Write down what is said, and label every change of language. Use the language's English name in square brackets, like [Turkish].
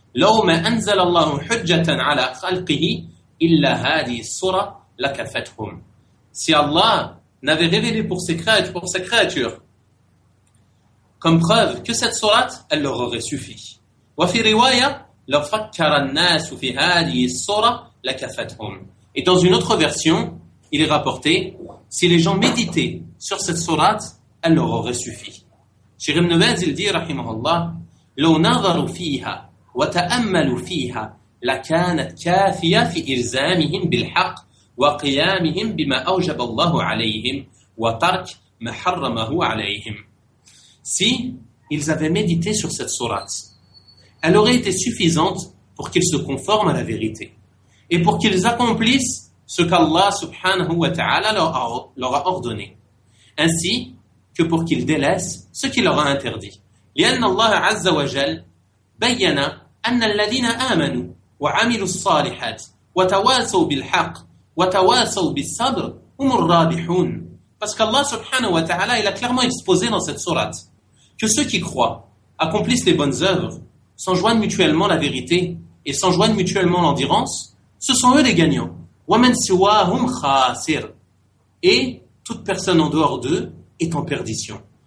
[Arabic] لو ما أنزل الله حجة على خلقه إلا هذه الصورة لكفتهم. [French] Si Allah n'avait révélé pour ses créatures comme preuve que cette sourate, elle leur aurait suffi. [Arabic] وفي رواية لو فكر الناس في هذه الصورة لكفتهم. [French] Et dans une autre version, il est rapporté, si les gens méditaient sur cette sourate, elle leur aurait suffi. Cheikh Ibn Baz, il dit, [Arabic] rahimahullah, لو نظروا فيها وتأملوا فيها لكانت كافية في إلزامهم بالحق وقيامهم بما أوجب الله عليهم وترك ما حرمه عليهم. [French] Si ils avaient médité sur cette sourate, elle aurait été suffisante pour qu'ils se conforment à la vérité et pour qu'ils accomplissent ce qu'Allah subhanahu wa ta'ala leur a ordonné, ainsi que pour qu'ils délaissent ce qui leur a interdit. [Arabic] لأن الله عز وجل بيّن أن الذين آمنوا وعملوا الصالحات وتواصوا بالحق وتواصوا بالصبر هم الرابحون. [French] Parce qu'Allah subhanahu wa ta'ala, il a clairement exposé dans cette sourate que ceux qui croient, accomplissent les bonnes œuvres, s'enjoignent mutuellement la vérité et s'enjoignent mutuellement l'endurance, ce sont eux les gagnants. [Arabic] وَمَنْ سِوَاهُمْ خَاسِرْ. [French] Et toute personne en dehors d'eux est en perdition.